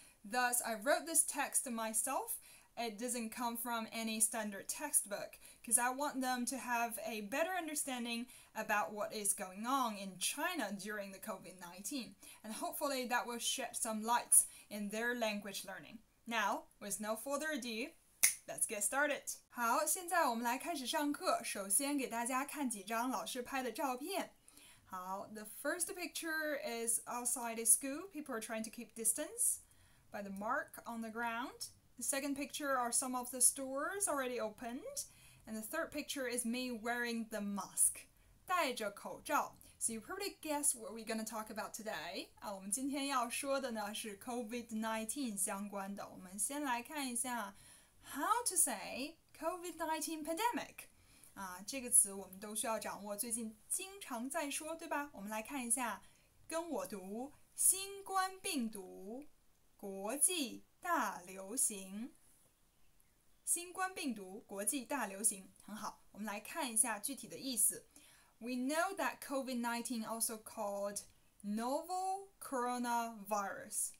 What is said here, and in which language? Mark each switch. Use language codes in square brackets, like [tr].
[en] Thus, I wrote this text myself. It doesn't come from any standard textbook, because I want them to have a better understanding about what is going on in China during the COVID-19. And hopefully that will shed some lights in their language learning. Now, with no further ado, let's get started. [zh] 好，现在我们来开始上课。首先给大家看几张老师拍的照片。 [en] 好，the first picture is outside a school. People are trying to keep distance by the mark on the ground. The second picture are some of the stores already opened. And the third picture is me wearing the mask. [zh] 戴着口罩。 [en] So you probably guess what we're going to talk about today. [zh] 啊，我们今天要说的呢是 COVID-19 相关的。我们先来看一下 [en] how to say COVID-19 pandemic. [zh] 啊，这个词我们都需要掌握，最近经常在说，对吧？我们来看一下，跟我读，新冠病毒，国际。大流行，新冠病毒，国际大流行，很好。我们来看一下具体的意思。 [en] We know that COVID-19 also called novel coronavirus,